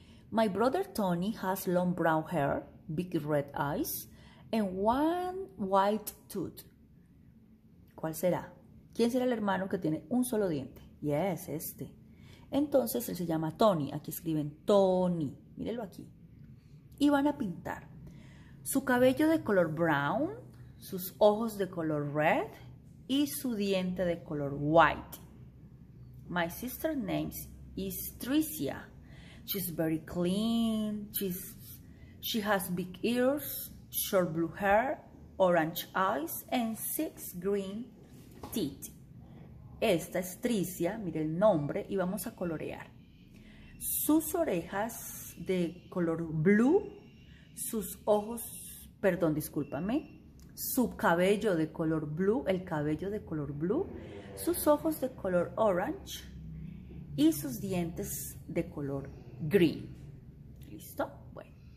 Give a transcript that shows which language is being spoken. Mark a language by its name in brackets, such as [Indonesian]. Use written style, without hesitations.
[English] My brother Tony has long brown hair, big red eyes, and one white tooth. [Spanish] ¿Cuál será? ¿Quién será el hermano que tiene un solo diente? Yes, este. Entonces, él se llama Tony. Aquí escriben Tony. Mírenlo aquí. Y van a pintar. Su cabello de color brown, sus ojos de color red y su diente de color white. [English] My sister's name is Tricia. She's very clean. She has big ears, short blue hair, orange eyes and six green teeth. [Spanish] Esta es Tricia, mire el nombre y vamos a colorear. Sus orejas de color blue, sus ojos, perdón, discúlpame, su cabello de color blue, el cabello de color blue, sus ojos de color orange y sus dientes de color green. ¿Listo? Bueno.